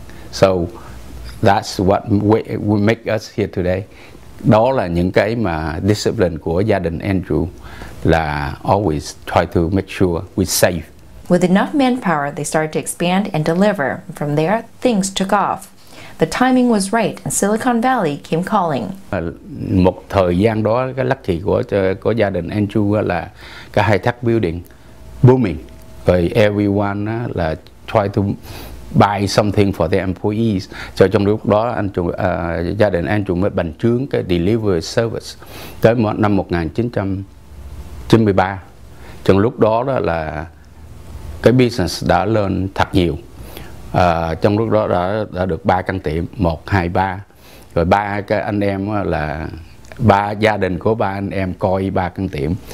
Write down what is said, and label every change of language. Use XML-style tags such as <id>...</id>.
<en>So, that's what we make us here today.</en> <vi>Đó là những cái mà discipline của gia đình Andrew là</vi> <en>always try to make sure we save. With enough manpower, they started to expand and deliver. From there, things took off. The timing was right, and Silicon Valley came calling.</en> <vi>Một thời gian đó, cái lucky của gia đình Andrew là cái khai thác building booming.</vi> <en>Rồi everyone là try to buy something for their employees.</en> <vi>Cho trong lúc đó, gia đình Andrew mới bành trướng cái delivery service. Tới năm 1993, trong lúc đó là cái business đã lên thật nhiều. Trong lúc đó đã được 3 căn tiệm, 1, 2, 3. Rồi ba cái anh em là ba gia đình của ba anh em coi 3 căn tiệm.</vi>